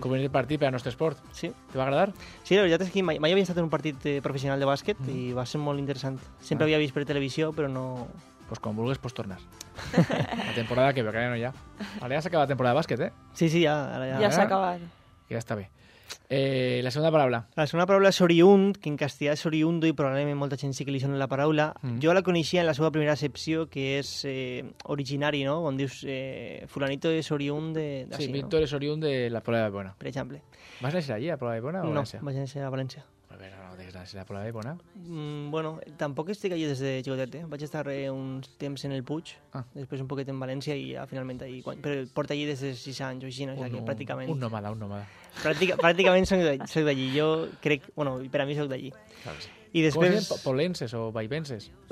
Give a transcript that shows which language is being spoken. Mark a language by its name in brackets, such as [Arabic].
[Catalan] Com venir el partit per al nostre esport. Sí. Te va agradar? Sí, la veritat és que mai havia estat en un partit professional de bàsquet i va ser molt interessant. Sempre havia vist per televisió, però no... Pues quan vulguis, pots tornar. La temporada que ve, que ara ja no hi ha. Ara ja s'ha acabat la temporada de bàsquet, eh? Sí, sí, ja. Ara ja s'ha acabat. Ja està bé. [Spanish] La segunda palabra. La segunda palabra es oriund, que en castellano es oriundo y probablemente mucha gente sí que le suena la palabra. Mm-hmm. Yo la conocía en la segunda primera acepción, que es originari, ¿no? Donde dius fulanito es oriund de... Sí, Víctor, ¿no? Es oriund de la Puebla de Bona. Por ejemplo. ¿Vas a ser allí, a Puebla de Bona o no, Valencia? No, vas a ser a Valencia. Muy pero no, será por la época, ¿no? [Catalan] Bueno, tampoc estic allí des de Xicotet, eh? Vaig estar un temps en el Puig, després un poquet en València i finalment allí. Però porto allí des de 6 anys o així, no? Pràcticament... Un nòmada. Pràcticament soc d'allí, jo crec... Bueno, per a mi soc d'allí. I després... Poblenses o vaivenses?